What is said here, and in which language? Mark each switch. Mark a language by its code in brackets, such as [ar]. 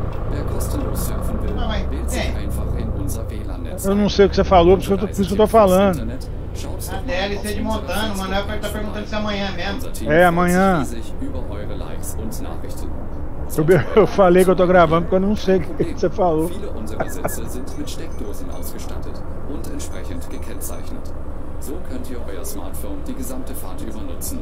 [de] Wer kostenlos surfen will, wählt sich einfach in unser WLAN-Netz. [pt] Eu não sei o que você falou, por isso que eu tô falando. A DLC de Montana, o Manuel vai estar perguntando se é amanhã mesmo. É, amanhã. [de] Über eure Likes und Nachrichten. [pt] Eu falei que eu tô gravando porque eu não sei o que você falou. [de] Viele unserer Sitze sind mit Steckdosen ausgestattet und entsprechend gekennzeichnet. So könnt ihr euer Smartphone die gesamte Fahrt über nutzen.